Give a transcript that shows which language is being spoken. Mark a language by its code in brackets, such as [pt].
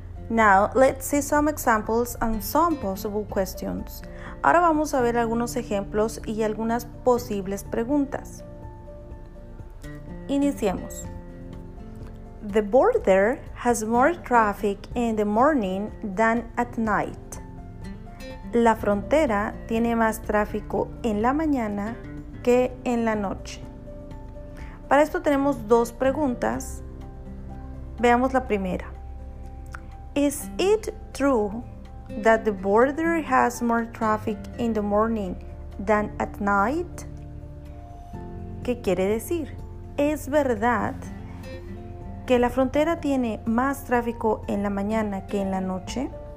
[en] Now, let's see some examples and some possible questions. [es] Ahora vamos a ver algunos ejemplos y algunas posibles preguntas. Iniciemos. [en] The border has more traffic in the morning than at night. [es] La frontera tiene más tráfico en la mañana que en la noche. Para esto tenemos dos preguntas. Veamos la primera. [en] Is it true that the border has more traffic in the morning than at night? [es] ¿Qué quiere decir? ¿Es verdad que la frontera tiene más tráfico en la mañana que en la noche?